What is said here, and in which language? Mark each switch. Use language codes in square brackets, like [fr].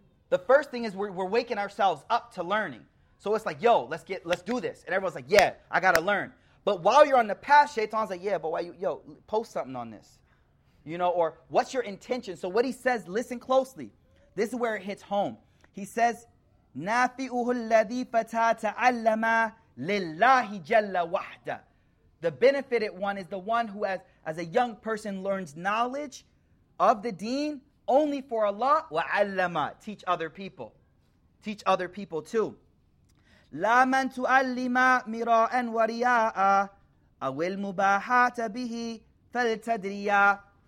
[en] The first thing is we're waking ourselves up to learning. So it's like, yo, let's do this. And everyone's like, yeah, I got to learn. But while you're on the path, Shaitan's like, yeah, but why, yo, post something on this. You know, or what's your intention? So what he says, listen closely. This is where it hits home. He says, [ar] نَافِئُهُ الَّذِي فَتَى تَعَلَّمَا لِلَّهِ جَلَّ وَحْدَ. [en] The benefited one is the one who, as a young person, learns knowledge of the deen only for Allah. [ar] وَعَلَّمَا. [en] Teach other people. Teach other people too. [ar] لَا مَنْ تُعَلِّمَا مِرَاءً وَرِيَاءً أَوِ الْمُبَاحَاتَ بِهِ فَلْتَدْرِيَا.